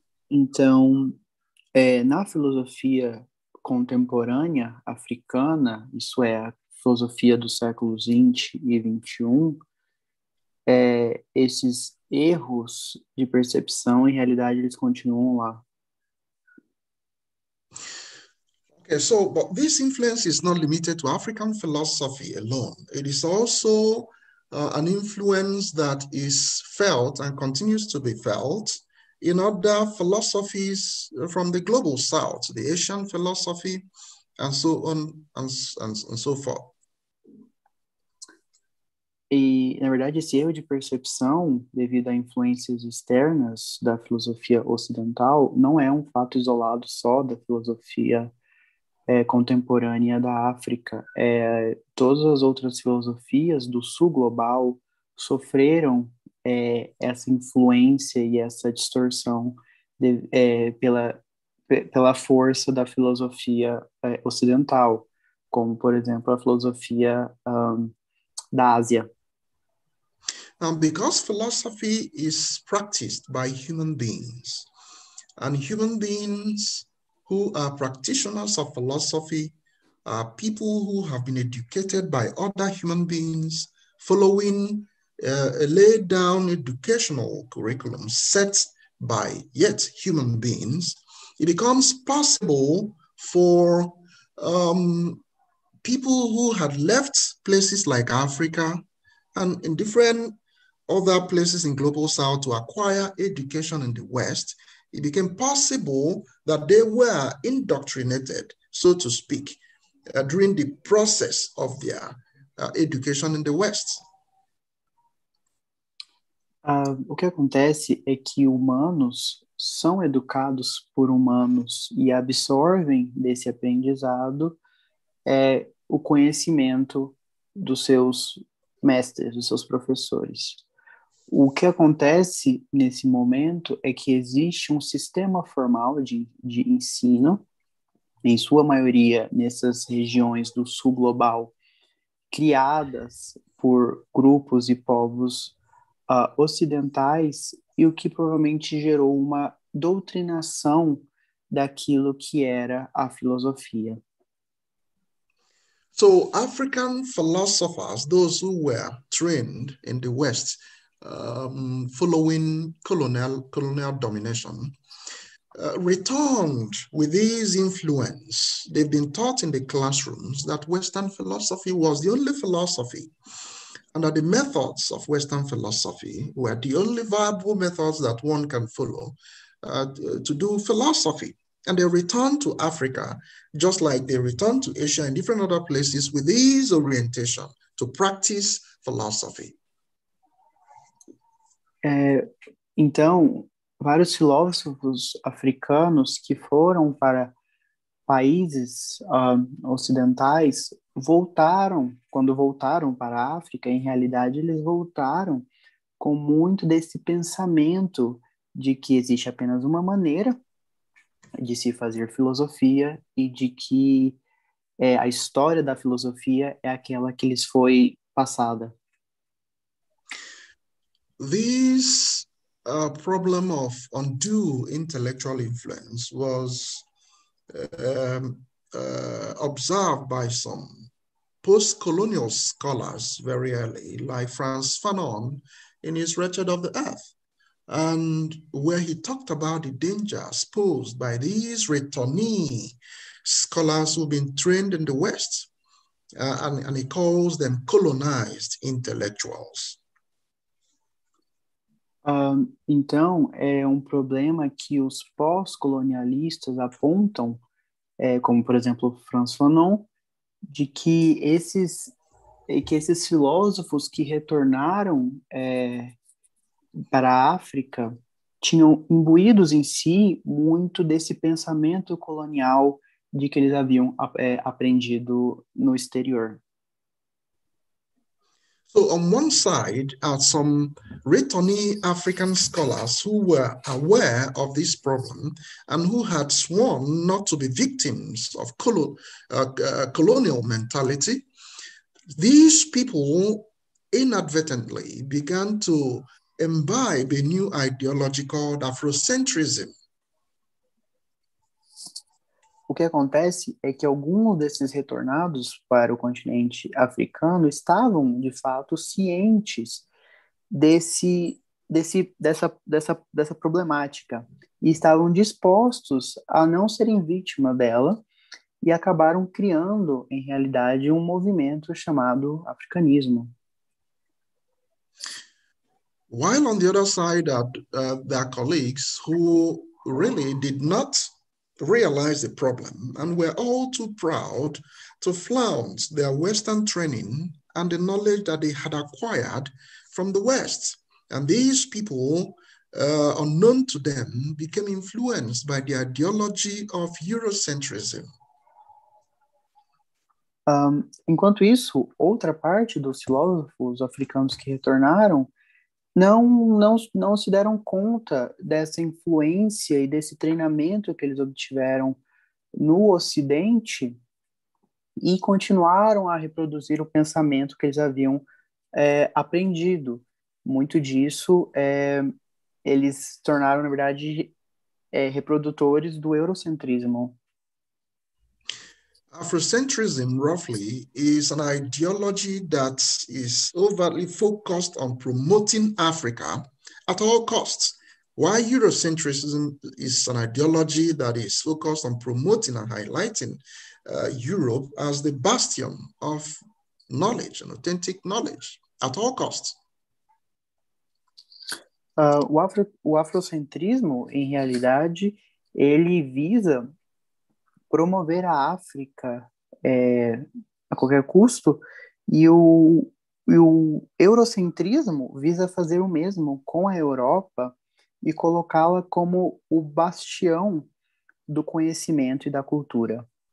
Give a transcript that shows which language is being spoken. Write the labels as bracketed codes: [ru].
[pt] Então, na filosofia contemporânea africana, isso é a filosofia dos séculos 20 e 21, esses erros de percepção, em realidade, eles continuam lá. [en] Okay, so, but this influence is not limited to African philosophy alone. It is also an influence that is felt and continues to be felt in other philosophies from the global south, the Asian philosophy, and so on and so forth. [pt] E, na verdade, esse erro de percepção devido a influências externas da filosofia ocidental não é um fato isolado só da filosofia contemporânea da África. Todas as outras filosofias do sul global sofreram essa influência e essa distorção pela força da filosofia ocidental, como, por exemplo, a filosofia da Ásia. [en] And because philosophy is practiced by human beings, and human beings who are practitioners of philosophy are people who have been educated by other human beings following a laid down educational curriculum set by yet human beings, it becomes possible for people who had left places like Africa and in different other places in global south to acquire education in the West, it became possible that they were indoctrinated, so to speak, during the process of their education in the West. [pt] O que acontece é que humanos são educados por humanos e absorvem desse aprendizado o conhecimento dos seus mestres, dos seus professores. O que acontece nesse momento é que existe um sistema formal de ensino, em sua maioria nessas regiões do sul global, criadas por grupos e povos ocidentais, e o que provavelmente gerou uma doutrinação daquilo que era a filosofia. [en] So, African philosophers, those who were trained in the West, following colonial domination, returned with this influence. They've been taught in the classrooms that Western philosophy was the only philosophy, and that the methods of Western philosophy were the only viable methods that one can follow to do philosophy. And they returned to Africa, just like they returned to Asia and different other places, with this orientation to practice philosophy. [pt] Então, vários filósofos africanos que foram para países ocidentais voltaram, quando voltaram para a África, em realidade, eles voltaram com muito desse pensamento de que existe apenas uma maneira de se fazer filosofia e de que a história da filosofia é aquela que lhes foi passada. [en] This problem of undue intellectual influence was observed by some post-colonial scholars very early, like Franz Fanon in his Wretched of the Earth, and where he talked about the dangers posed by these returnee scholars who've been trained in the West, and he calls them colonized intellectuals. [pt] Então, é um problema que os pós-colonialistas apontam, como, por exemplo, Franz Fanon, de que esses filósofos que retornaram para a África tinham imbuídos em si muito desse pensamento colonial de que eles haviam aprendido no exterior. [en] So on one side are some returnee African scholars who were aware of this problem and who had sworn not to be victims of colonial mentality. These people inadvertently began to imbibe a new ideology called Afrocentrism. [pt] O que acontece é que alguns desses retornados para o continente africano estavam, de fato, cientes dessa problemática e estavam dispostos a não serem vítima dela e acabaram criando, em realidade, um movimento chamado africanismo. [en] While on the other side their colleagues who really did not realize the problem and were all too proud to flaunt their Western training and the knowledge that they had acquired from the West. And these people, unknown to them, became influenced by the ideology of Eurocentrism. [pt] Enquanto isso, outra parte dos filósofos africanos que retornaram não se deram conta dessa influência e desse treinamento que eles obtiveram no Ocidente e continuaram a reproduzir o pensamento que eles haviam aprendido. Muito disso eles se tornaram, na verdade, reprodutores do eurocentrismo. [en] Afrocentrism, roughly, is an ideology that is overtly focused on promoting Africa at all costs, while Eurocentrism is an ideology that is focused on promoting and highlighting Europe as the bastion of knowledge and authentic knowledge at all costs. [pt] O afrocentrismo, em realidade, ele visa promover a África a qualquer custo, e o eurocentrismo visa fazer o mesmo com a Europa e colocá-la como o bastião do conhecimento e da cultura.